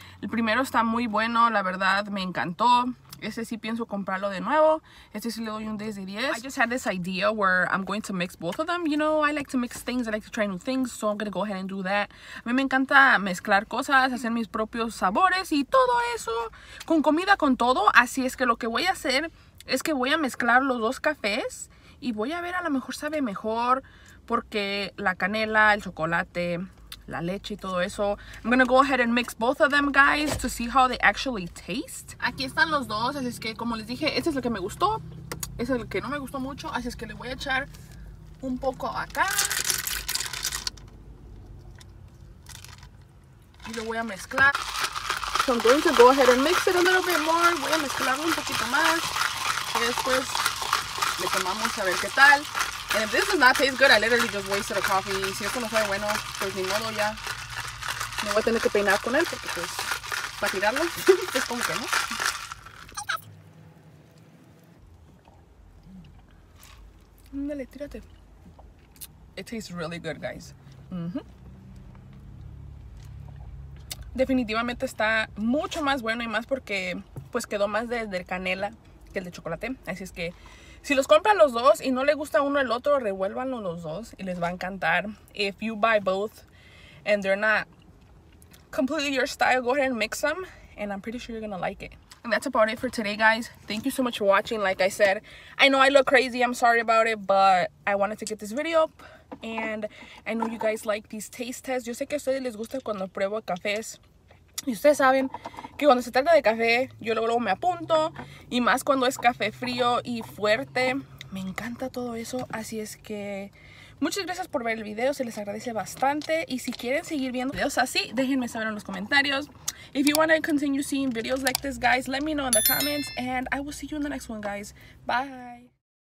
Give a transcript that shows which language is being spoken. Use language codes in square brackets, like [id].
[es] El primero está muy bueno, la verdad, me encantó. Ese sí pienso comprarlo de nuevo. Ese sí le doy un 10 de 10. [en] I just had this idea where I'm going to mix both of them. You know, I like to mix things, I like to try new things, so I'm going to go ahead and do that. [es] A mí me encanta mezclar cosas, hacer mis propios sabores y todo eso, con comida, con todo. Así es que lo que voy a hacer es que voy a mezclar los dos cafés y voy a ver, a lo mejor sabe mejor porque la canela, el chocolate, la leche y todo eso. [en] I'm gonna go ahead and mix both of them, guys, to see how they actually taste. [es] Aquí están los dos, así es que como les dije, este es el que me gustó, este es el que no me gustó mucho, así es que le voy a echar un poco acá y lo voy a mezclar. [en] So I'm going to go ahead and mix it a little bit more. [es] Voy a mezclarlo un poquito más y después le tomamos a ver qué tal. [en] And if this does not taste good, I literally just wasted a coffee. [es] Si esto no fue bueno, pues ni modo, ya. Me voy a tener que peinar con él porque, pues, para tirarlo, es como que no. Ándale, tírate. [en] It tastes really good, guys. Mm-hmm. [es] Definitivamente está mucho más bueno y más porque pues quedó más de canela que el de chocolate. Así es que si los compran los dos y no le gusta uno el otro, revuélvanlo los dos y les va a encantar. [en] If you buy both and they're not completely your style, go ahead and mix them. And I'm pretty sure you're gonna like it. And that's about it for today, guys. Thank you so much for watching. Like I said, I know I look crazy. I'm sorry about it, but I wanted to get this video up. And I know you guys like these taste tests. [es] Yo sé que a ustedes les gusta cuando pruebo cafés. Y ustedes saben que cuando se trata de café, yo luego me apunto. Y más cuando es café frío y fuerte. Me encanta todo eso. Así es que muchas gracias por ver el video. Se les agradece bastante. Y si quieren seguir viendo videos así, déjenme saber en los comentarios. [en] If you want to continue seeing videos like this, guys, let me know in the comments. And I will see you in the next one, guys. Bye.